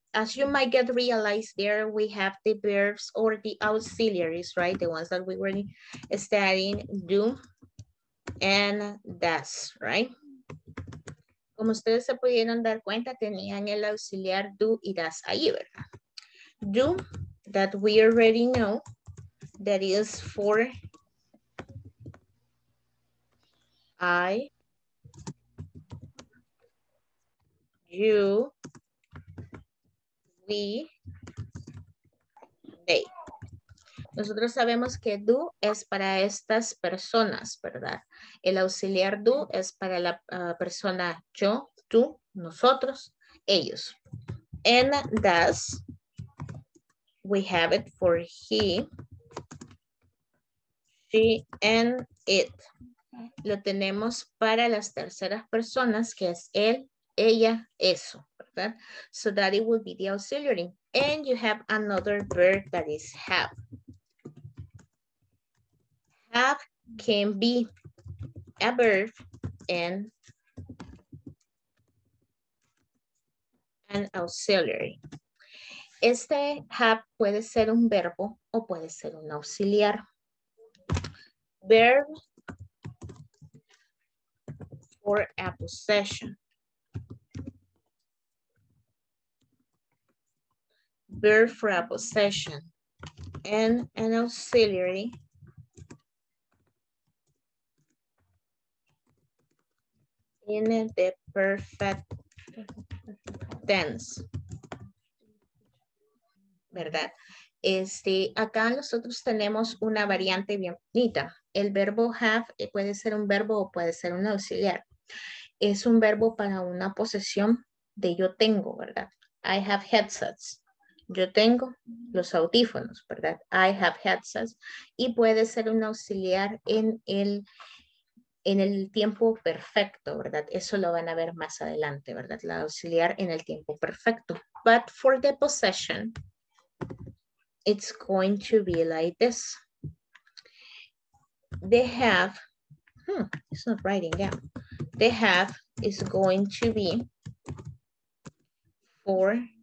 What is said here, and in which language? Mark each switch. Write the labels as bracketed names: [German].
[English] As you might get realized there, we have the verbs or the auxiliaries, right? The ones that we were studying, do and does, right? [Spanish] Como ustedes se pudieron dar cuenta, tenían el auxiliar do y does ahí, ¿verdad? [English] Do, that we already know, that is for I, you, we, they. [Spanish] Nosotros sabemos que do es para estas personas, ¿verdad? El auxiliar do es para la persona yo, tú, nosotros, ellos. [English] And does, we have it for he, she, and it. [Spanish] Lo tenemos para las terceras personas, que es él, ella, eso, ¿verdad? [English] So that it will be the auxiliary. And you have another verb that is have. Have can be a verb and an auxiliary. [Spanish] Este have puede ser un verbo o puede ser un auxiliar. [English] Verb for a possession. Verb for a possession and an auxiliary. In the perfect tense, ¿verdad? [Spanish] Este, acá nosotros tenemos una variante bien bonita. El verbo have puede ser un verbo o puede ser un auxiliar. Es un verbo para una posesión de yo tengo, ¿verdad? [English] I have headsets. [Spanish] Yo tengo los audífonos, ¿verdad? [English] I have headsets. [Spanish] Y puede ser un auxiliar en el... En el tiempo perfecto, ¿verdad? Eso lo van a ver más adelante, ¿verdad? La auxiliar en el tiempo perfecto. [English] But for the possession, it's going to be like this. They have, it's not writing down. They have is going to be four.